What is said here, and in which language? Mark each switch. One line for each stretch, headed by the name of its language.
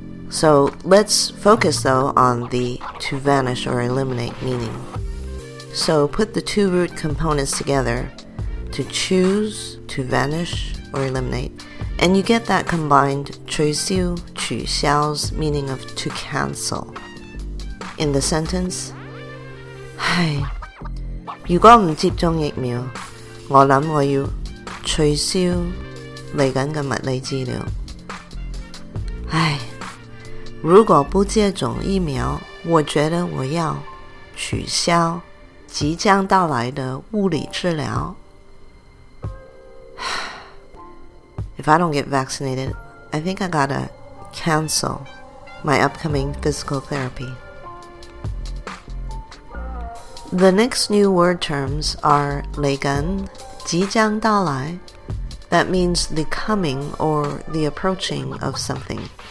English: So let's focus though on the to vanish or eliminate meaning. So put the two root components together, to choose, to vanish, or eliminate, and you get that combined 取消, 取消's meaning of to cancel. In the sentence,
Chinese: 如果不接种疫苗, 我想我要取消来跟个物理治疗。如果不接种疫苗，我觉得我要取消即将到来的物理治疗。
English: If I don't get vaccinated, I think I gotta cancel my upcoming physical therapy. The next new word terms are 来跟, 即将到来, that means the coming or the approaching of something.